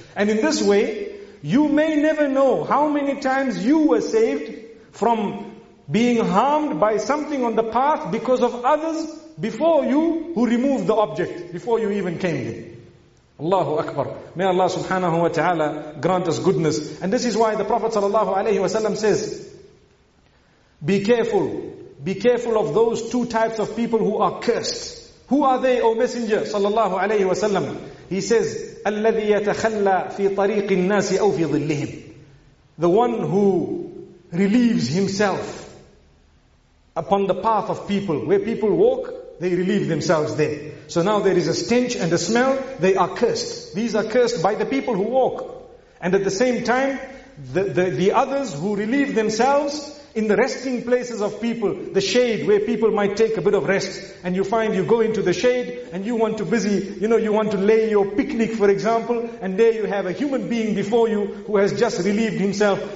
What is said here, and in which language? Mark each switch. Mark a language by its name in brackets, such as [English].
[English] And in this way, you may never know how many times you were saved from being harmed by something on the path because of others before you who removed the object, before you even came there. Allahu Akbar. May Allah subhanahu wa ta'ala grant us goodness. And this is why the Prophet sallallahu alayhi wa sallam says, be careful. Be careful of those two types of people who are cursed. Who are they, O Messenger sallallahu alayhi wa sallam? He says, [Arabic] الَّذِي يَتَخَلَّى فِي طَرِيقِ النَّاسِ أَوْ فِي ظِلِّهِمْ. [English] The one who relieves himself upon the path of people. Where people walk, they relieve themselves there. So now there is a stench and a smell, they are cursed. These are cursed by the people who walk. And at the same time, the others who relieve themselves in the resting places of people, the shade where people might take a bit of rest, and you find you go into the shade and you want to busy, you know, you want to lay your picnic, for example, and there you have a human being before you who has just relieved himself.